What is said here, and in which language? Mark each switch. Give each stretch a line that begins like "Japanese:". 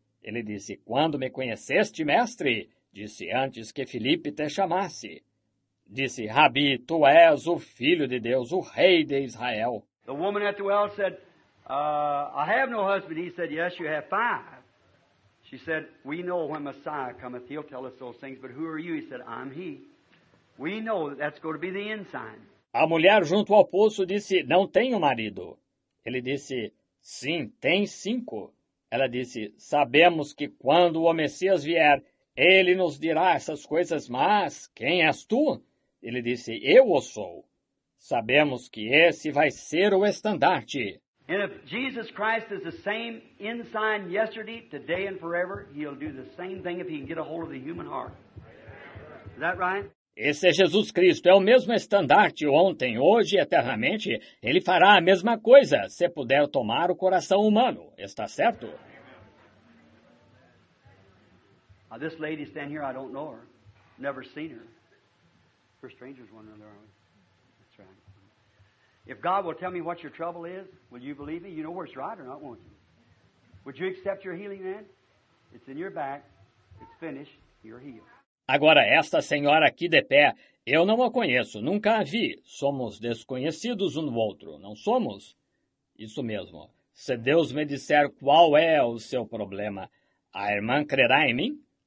Portuguese: Ele disse, quando me conheceste, mestre, disse antes que Filipe te chamasse. Disse, Rabi, tu és o filho de Deus, o rei de Israel.
English: The woman at the well said, I have no husband. He said, yes, you have five. She said, we know when Messiah cometh, he'll tell us those things, but who are you? He said, I'm he. We know that that's going to be the ensign.
Portuguese: A mulher junto ao poço disse, não tenho marido. Ele disse, sim, tem cinco. Ela disse, sabemos que quando o Messias vier, ele nos dirá essas coisas, mas quem és tu? Ele disse, eu o sou. Sabemos que esse vai ser o estandarte.
English: And if Jesus Christ is the same ensign yesterday, today and forever, he'll do the same thing if he can get a hold of the human heart. Is that right?
Portuguese: Esse é Jesus Cristo, é o mesmo estandarte ontem, hoje e eternamente. Ele fará a mesma coisa, se puder tomar o coração humano. Está certo?
English: Now, this lady standing here, I don't know her. Never seen her. We're strangers one another, aren't we? That's right. If God will tell me what your trouble is, will you believe me? You know where it's right or not, won't you? Would you accept your healing then? It's in your back. It's finished. You're healed.
Portuguese: Agora, esta senhora aqui de pé, eu não a conheço, nunca a vi. Somos desconhecidos um do outro, não somos? Isso mesmo. Se Deus me disser qual é o seu problema, a irmã crerá em mim?